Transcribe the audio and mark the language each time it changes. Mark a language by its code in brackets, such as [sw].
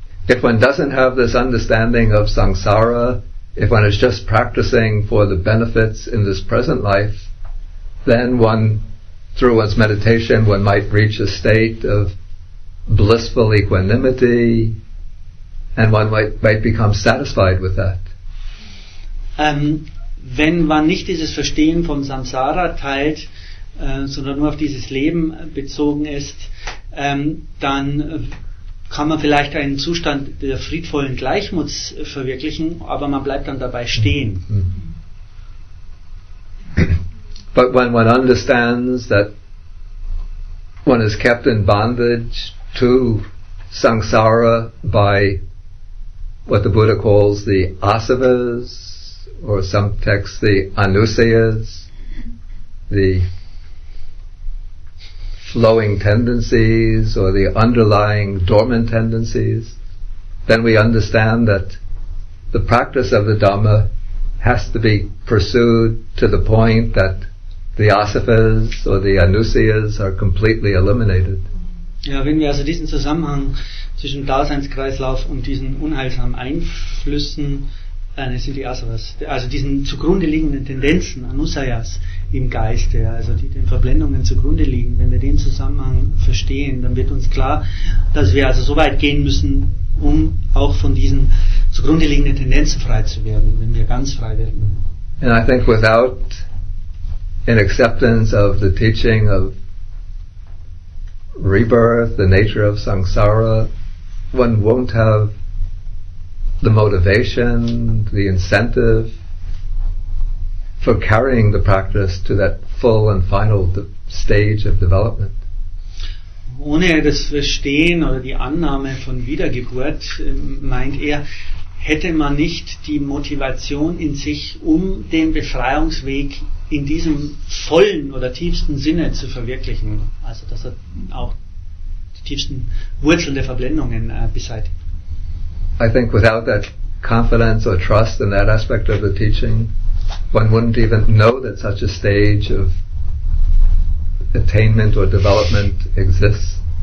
[en] If one doesn't have this understanding of samsara, if one is just practicing for the benefits in this present life, then one, through one's meditation, one might reach a state of blissful equanimity, and one might become satisfied with that. [de] Wenn man nicht dieses Verstehen vom Samsara teilt, sondern nur auf dieses Leben bezogen ist, dann kann man vielleicht einen Zustand der friedvollen Gleichmuts verwirklichen, aber man bleibt dann dabei stehen. Mm-hmm. [en] But when one understands that one is kept in bondage to samsara by what the Buddha calls the asavas, or some texts the anusayas, the flowing tendencies or the underlying dormant tendencies, then we understand that the practice of the Dhamma has to be pursued to the point that the asavas or the anusayas are completely eliminated. [de] Ja, wenn wir also diesen Zusammenhang zwischen Daseinskreislauf und diesen unheilsamen Einflüssen, das sind die Asavas, also diesen zugrunde liegenden Tendenzen, Anusayas im Geiste, also die den Verblendungen zugrunde liegen, wenn wir den Zusammenhang verstehen, dann wird uns klar, dass wir also so weit gehen müssen, um auch von diesen zugrunde liegenden Tendenzen frei zu werden, wenn wir ganz frei werden. [en] And I think without an acceptance of the teaching of rebirth, the nature of samsara, one won't have the motivation, the incentive for carrying the practice to that full and final stage of development. [de] Ohne das Verstehen oder die Annahme von Wiedergeburt, meint er, hätte man nicht die Motivation in sich, um den Befreiungsweg in diesem vollen oder tiefsten Sinne zu verwirklichen. Also, dass er auch tiefsten Wurzeln der Verblendungen beseitigt. [en] I think without that confidence or trust in that aspect of the teaching, one wouldn't even know that such a stage of attainment or development exists.